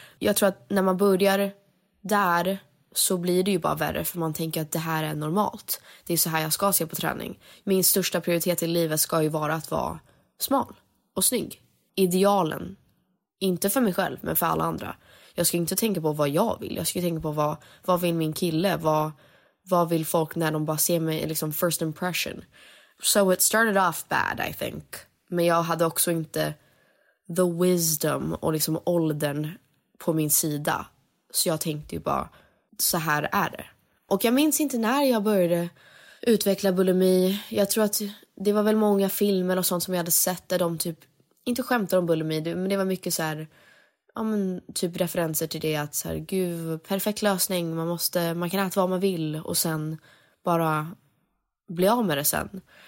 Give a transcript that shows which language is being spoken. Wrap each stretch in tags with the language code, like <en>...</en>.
<sv>Jag tror att när man börjar där så blir det ju bara värre, för man tänker att det här är normalt. Det är så här jag ska se på träning. Min största prioritet i livet ska ju vara att vara smal och snygg. Idealen. Inte för mig själv, men för alla andra. Jag ska inte tänka på vad jag vill. Jag ska tänka på vad vill min kille? Vad vill folk när de bara ser mig, liksom</sv> <en>first impression? So it started off bad, I think.</en> <sv>Men jag hade också inte</sv> <en>the wisdom</en> <sv>och liksom åldern på min sida. Så jag tänkte ju bara, så här är det. Och jag minns inte när jag började utveckla bulimi. Jag tror att det var väl många filmer och sånt som jag hade sett där de typ, inte skämtade om bulimi, men det var mycket så här, ja men typ referenser till det, att så här, gud, perfekt lösning, man kan äta vad man vill och sen bara bli av med det sen.</sv>